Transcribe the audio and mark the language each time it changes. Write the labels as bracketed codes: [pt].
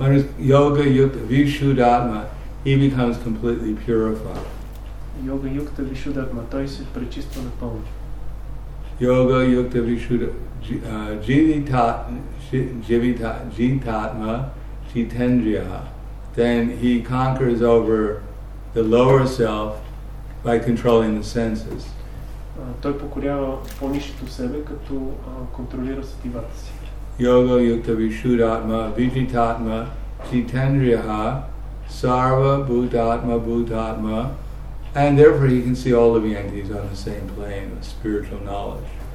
[en] One who's [sa] yoga yukta vishuddhatma, [en] he becomes completely purified. [sa] Yoga yukta vishuddhatma, [bg] той се пречиства напълно. [sa] Yoga yukta vishuddhatma. Jitatma jitendriya, [en] then he conquers over the lower self by controlling the senses. [bg] Той покорява по-нишето себе, като контролира сетивата си. [sa] Yoga yukta vishuddhatma vijitatma jitendriya sarva bhutatma bhutatma, [en] and therefore he can see all the beings on the same plane of spiritual knowledge.